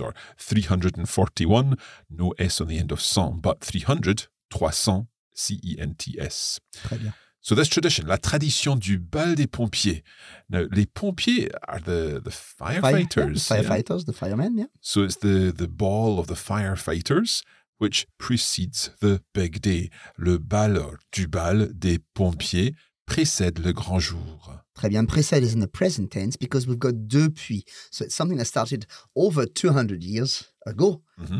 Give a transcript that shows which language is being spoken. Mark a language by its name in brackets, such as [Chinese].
[English] Or 341, no S on the end of 100, but 300, 300, C-E-N-T-S. [French] Très bien. [English] So this tradition, [French] la tradition du bal des pompiers. [English] Now, les pompiers are the firefighters. Yeah, the firefighters, yeah. The firemen, yeah. So it's the ball of the firefighters, which precedes the big day. [French] Le bal, du bal des pompiers, précède le grand jour. Très bien, [English] précède is in the present tense because we've got depuis. So it's something that started over 200 years ago, mm-hmm.